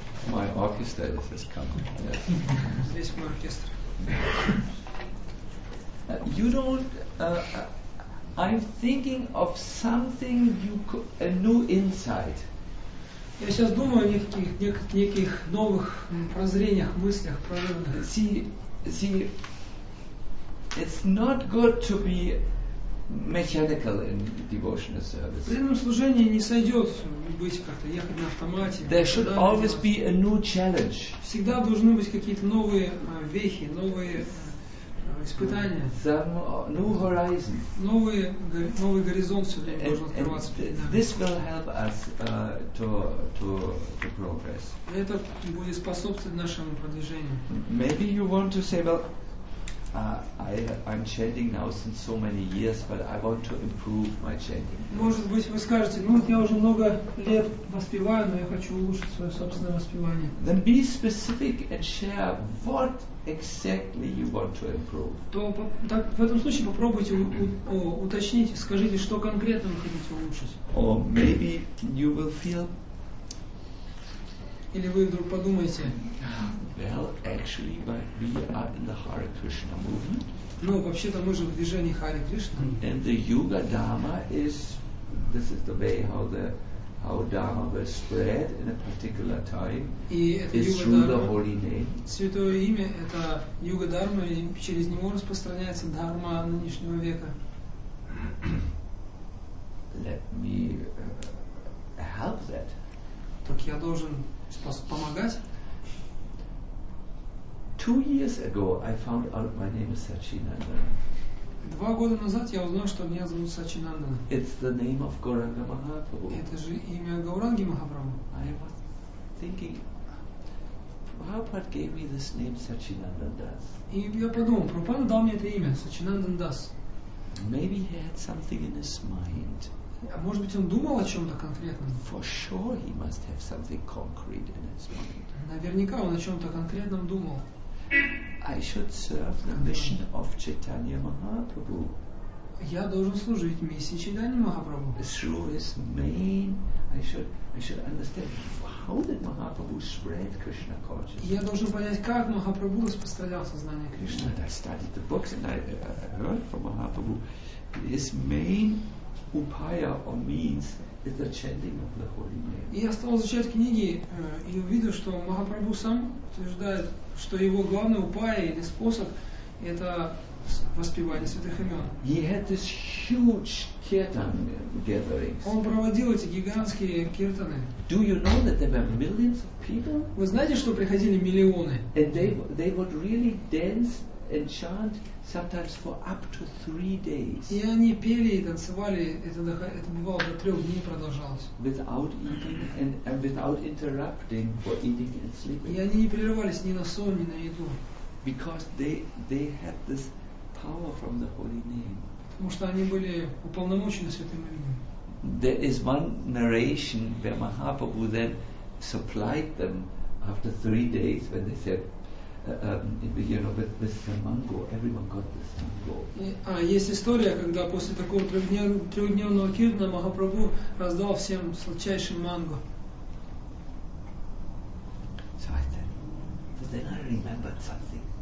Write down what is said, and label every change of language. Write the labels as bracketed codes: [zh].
[en] My orchestra is just coming. This my orchestra. You don't. I'm thinking of something you could, a new insight. [ru] Я сейчас думаю о неких новых прозрениях, мыслях, прорывах. [en] See, it's not good to be mechanical in devotional service. [ru] В этом служении не сойдет быть как-то ехать на автомате. [en] There should always be a new challenge. [ru] Всегда должны быть какие-то новые вехи, новые испытания. [en] Some new horizon. [ru] Новый горизонт все время должен открываться. [en] This will help us to progress. [ru] Это будет способствовать нашему продвижению. [en] Maybe you want to say, well, I'm chanting now since so many years, but I want to improve my chanting. [ru] Может быть, вы скажете, ну, я уже много лет воспеваю, но я хочу улучшить свое собственное воспевание. [en] Then be specific and share what exactly you want to improve. [ru] То так в этом случае попробуйте уточнить, скажите, что конкретно вы хотите улучшить. [en] Or maybe you will feel. [ru] Или вы вдруг подумаете. [en] Well, actually, but we are in the Hare Krishna movement. [ru] Ну, вообще-то мы же в движении Харе Кришна. [en] And the Yuga Dharma is, this is the way how the how Dharma was spread in a particular time is through the holy name. [ru] Святое имя – это Юга Дарма, и через него распространяется Дарма нынешнего века. [en] Let me help that. [ru] Так я должен помогать? [en] 2 years ago, I found out my name is Satchinandana. [ru] 2 года назад я узнал, что меня зовут Сачинандана. [en] It's the name of Gauranga Mahaprabhu. [ru] Это же имя Гауранги Махапрабху. [en] I was thinking, Prabhupada gave me this name Satchinandana Das. [ru] И я подумал, Прабхупада дал мне это имя Сачинандана Дас. [en] Maybe he had something in his mind. [ru] А может быть, он думал о чем-то конкретном? [en] For sure, he must have something concrete in his mind. [ru] Наверняка он о чем-то конкретном думал. [en] I should serve the mission of Chaitanya Mahaprabhu. [ru] Я должен служить миссии Чайтанья Махапрабху. [en] Through his main, I should understand how did Mahaprabhu spread Krishna consciousness. [ru] Я должен понять, как Махапрабху распространял сознание Кришны. [en] And I studied the books and I heard from Mahaprabhu, his main upaya or means. It's the chanting of the holy name. [ru] И я стал изучать книги и увидел, что Махапрабху сам утверждает, что его главный упая или способ – это воспевание святых имен. [en] He had this huge kirtan gatherings. [ru] Он проводил эти гигантские киртаны. [en] Do you know that there were millions of people? [ru] Вы знаете, что приходили миллионы? [en] And they would really dance and chant sometimes for up to 3 days. [ru] И они пели и танцевали, это бывало до 3 дней продолжалось. [en] Without eating and without interrupting for eating and sleeping. [ru] И они не прерывались ни на сон, ни на еду. [en] Because they had this power from the holy name. [ru] Потому что они были уполномочены святым именем. [en] There is one narration where Mahaprabhu then supplied them after 3 days when they said, with the mango, everyone got this mango. [ru] А есть история, когда после такого трехдневного киртана Махапрабху раздал всем сладчайшим манго. [en] So I said, but then I remembered something.